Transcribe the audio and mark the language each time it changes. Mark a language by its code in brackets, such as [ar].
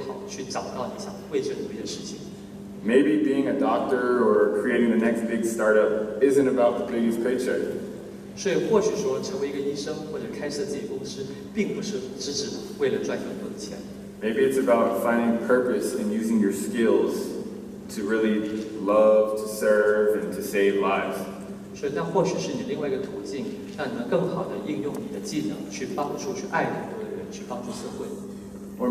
[zh] 不要一直被周遭的事情去影响你的情绪。我希望你能集中精力去预先去活动，去准备好，去找到你想为之努力的事情。 [en] Maybe being a doctor or creating the next big startup isn't about the biggest paycheck. [zh] 所以或许说成为一个医生或者开设自己公司，并不是只为了赚更多的钱。 [en] Maybe it's about finding purpose and using your skills to really love, to serve, and to save lives. [zh] 所以那或许是你另外一个途径，让你能更好地应用你的技能去帮助、去爱更多的人、去帮助社会。 [en] Or